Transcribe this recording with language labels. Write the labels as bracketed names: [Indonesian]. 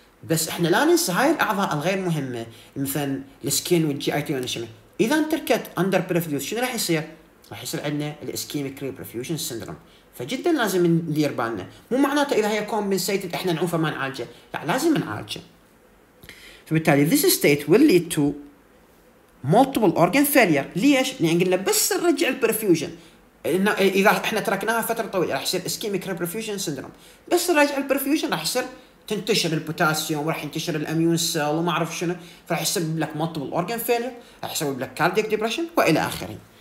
[Arabic] بس احنا لا ننسى هاي الاعضاء الغير مهمه مثل السكين والجي اي تي والنشمه، اذا تركت اندر بريفيوز شنو راح يصير؟ راح يصير عندنا الاسكيميك ريبرفيوجن سيندروم. فجدا لازم ندير بالنا، مو معناته اذا هي كومبنسيتد احنا نعوفها ما نعالجها، لا لازم نعالجها. فبالتالي [English] this state will lead to multiple organ failure. [Arabic] ليش؟ لان قلنا بس نرجع البرفيوجن، اذا احنا تركناها فتره طويله راح يصير اسكيميك ريبرفيوجن سيندروم. بس نرجع البرفيوجن راح يصير تنتشر البوتاسيوم، راح ينتشر الاميون سيل وما اعرف شنو، فراح يسبب لك multiple organ failure، راح يسبب لك cardiac depression والى اخره.